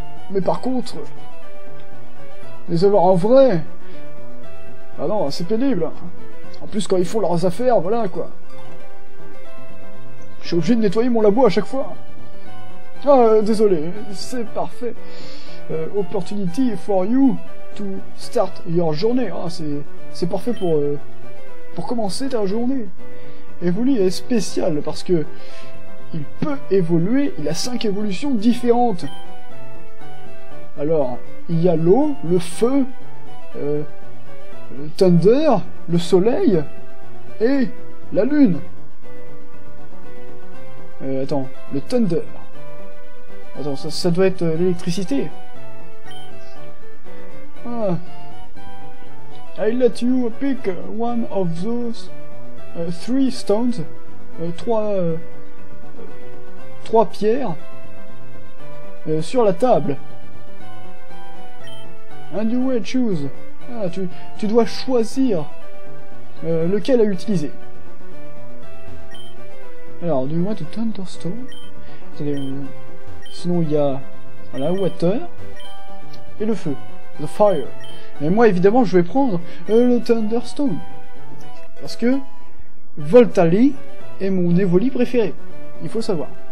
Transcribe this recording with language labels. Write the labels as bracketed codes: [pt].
[fr] Mais par contre, les avoir en vrai, ah non, c'est pénible. En plus, quand ils font leurs affaires, voilà, quoi. Je suis obligé de nettoyer mon labo à chaque fois. Ah, désolé, c'est parfait. [en] Opportunity for you to start your journey. [fr] Ah, c'est parfait pour commencer ta journée. Evoli est spécial parce que il peut évoluer, il a 5 évolutions différentes. Alors, il y a l'eau, le feu, le thunder, le soleil et la lune. Attends, le thunder. Attends, ça doit être l'électricité. [en] Ah. I'll let you pick one of those three stones, [fr] trois pierres sur la table. [en] And you will choose. [fr] Ah, tu dois choisir lequel à utiliser. [en] Alors, do you want a thunderstone? [fr] Attendez, sinon il y a voilà, water et le feu. [en] The fire. [fr] Et moi, évidemment, je vais prendre le Thunderstone. Parce que Voltali est mon Evoli préféré. Il faut savoir.